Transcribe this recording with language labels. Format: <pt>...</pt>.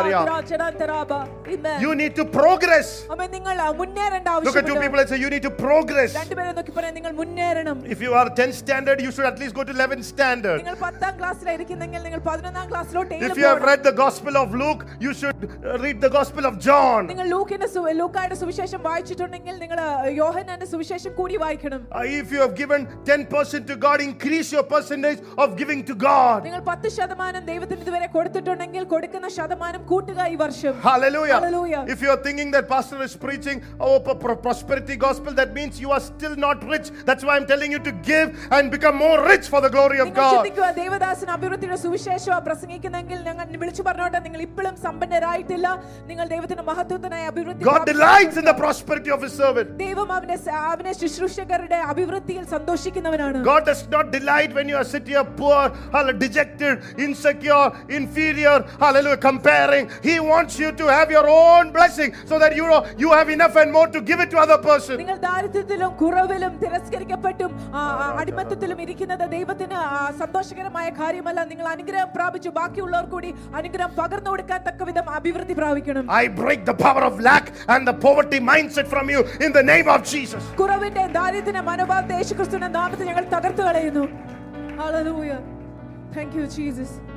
<ml>എടുക്കാറുണ്ട്</ml> <en>you need to progress</en> <ml>അമ്മേ നിങ്ങൾ മുന്നേറേണ്ട ആവശ്യമുണ്ട്</ml> <en>look at two people and say you need to progress</en> <ml>രണ്ട് പേരെ നോക്കി പറയാ നിങ്ങൾ മുന്നേറണം</ml> <en>if you are 10th standard you should at least go to 11th standard</en> <ml>നിങ്ങൾ 10th ക്ലാസ്സിൽ ഇരിക്കുന്നെങ്കിൽ നിങ്ങൾ 11th ക്ലാസ്സിലോട്ട്</ml> <en>if you have read the gospel of luke you should read the gospel of john</en> <ml>നിങ്ങൾ ലൂക്കിന്റെ ലൂക്കായുടെ സുവിശേഷം വായിച്ചിട്ടുണ്ടെങ്കിൽ നിങ്ങൾ യോഹന്നാന്റെ സുവിശേഷം കൂടി വായിക്കണം</ml> <en>if you have given 10% to god increase your percentage of giving to god</en> <ml>നിങ്ങൾ 10% ദൈവത്തിന് ഇതുവരെ കൊടുത്തിട്ടുണ്ടെങ്കിൽ കൊടുക്കുന്ന ശതമാനം കൂട്ടുക ഈ വർഷം</ml> <en>hallelujah hallelujah if you are thinking that pastor is preaching prosperity gospel that means you are still not rich that's why I'm telling you to give and become more rich for the glory of god</en> <ml>നിങ്ങൾ ചിന്തിക്കുക ദൈവദാസൻ അഭിവൃദ്ധിയുടെ സുവിശേഷം പ്രസംഗിക്കുന്നെങ്കിൽ ഞങ്ങൾ വിളിച്ചു പറഞ്ഞോട്ടെ നിങ്ങൾ ഇപ്പോഴും സമ്പന്നരായിട്ടില്ല നിങ്ങൾ ദൈവത്തിന്റെ മഹത്വത്തിനായി അഭിവൃദ്ധി</ml> <en>god delights in the prosperity of his servant</en> <ml>ദൈവം അവനെ ശുശ്രൂഷകരുടെ അഭിവൃദ്ധിയിൽ സന്തോഷിക്കുന്നവനാണ്</ml> <en>god does not delight when you are sitting here poor dejected insecure inferior hallelujah comparing he wants you to have your own blessing so that you have enough and more to give it to other person</en> <ml>നിങ്ങൾ ദാരിദ്ര്യത്തിലും കുറവിലും തിരസ്കരിക്കപ്പെട്ടും അടിമത്തത്തിലും ഇരിക്കുന്നത് ദൈവത്തിന് സന്തോഷകരമായ കാര്യമല്ല നിങ്ങൾ അനുഗ്രഹം പ്രാപിച്ചു ബാക്കിയുള്ളവർ കൂടി അനുഗ്രഹം പകർന്നു കൊടുക്കാൻ തക്കവിധം അഭിവൃദ്ധി പ്രാപിക്കണം</ml> <en>I break the power of lack and the poverty mindset from you in the name of Jesus</en> <ml>കുറവിന്റെ ദാരിദ്ര്യത്തിന്റെ മനോഭാവം യേശുക്രിസ്തുവിന്റെ നാമത്തിൽ ഞങ്ങൾ തകർത്തു കളയുന്നു</ml> <en>hallelujah thank you jesus</en>